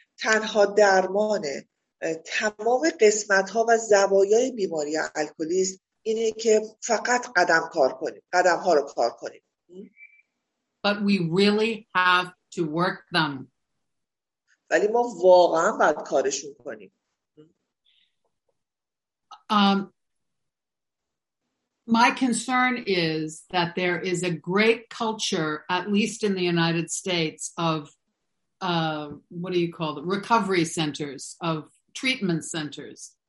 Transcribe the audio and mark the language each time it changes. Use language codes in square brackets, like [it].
[fa] تنها درمان تمام قسمت ها و زوایای بیماری الکلیسم اینه که فقط قدم کار کنیم، قدم ها رو کار کنیم. [en] But we really have to work them. [fa] ولی ما واقعا باید کارشون کنیم. [en] My concern is that there is a great culture, at least in the United States, of what do you call it? Recovery centers, of treatment centers.